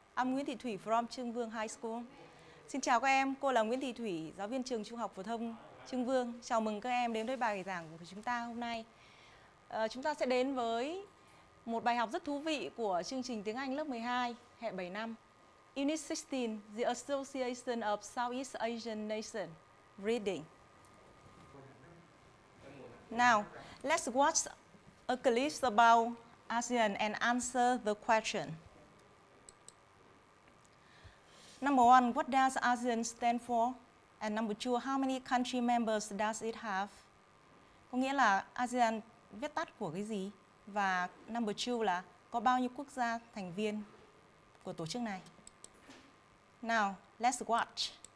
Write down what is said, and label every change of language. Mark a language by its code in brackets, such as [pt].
[en] I'm Nguyễn Thị Thủy from Trương Vương High School. [vi] Xin chào các em. Cô là Nguyễn Thị Thủy, giáo viên trường trung học phổ thông Trương Vương. Chào mừng các em đến với bài giảng của chúng ta hôm nay. Chúng ta sẽ đến với một bài học rất thú vị của chương trình tiếng Anh lớp 12, hệ 7 năm. [en] Unit 16, The Association of Southeast Asian Nations, Reading. Now, let's watch a clip about ASEAN and answer the question. Number one, what does ASEAN stand for? And number two, how many country members does it have? [vi] Có nghĩa là ASEAN viết tắt của cái gì? Và [en] number two [vi] là có bao nhiêu quốc gia thành viên của tổ chức này? [en] Now, let's watch.